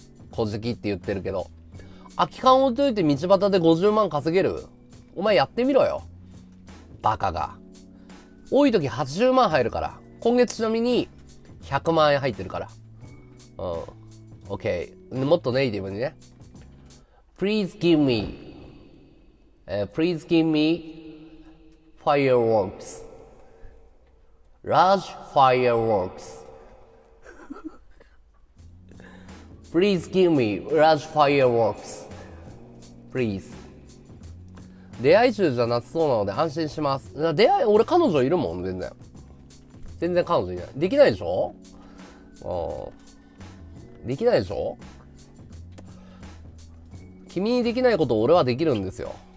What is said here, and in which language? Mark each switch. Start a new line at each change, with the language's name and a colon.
Japanese: 小じきって言ってるけど。空き缶置いといて道端で50万稼げる？お前やってみろよ。バカが。多い時80万入るから。今月ちなみに100万円入ってるから。うん。OK。もっとネイティブにね。
English: Please give me. Please give me fireworks. Large fireworks. Please give me large fireworks. Please.
Japanese: 出会い中じゃなさそうなので安心します。出会い、俺彼女いるもん、全然。全然彼女いない。できないでしょ？できないでしょ？君にできないことを俺はできるんですよ。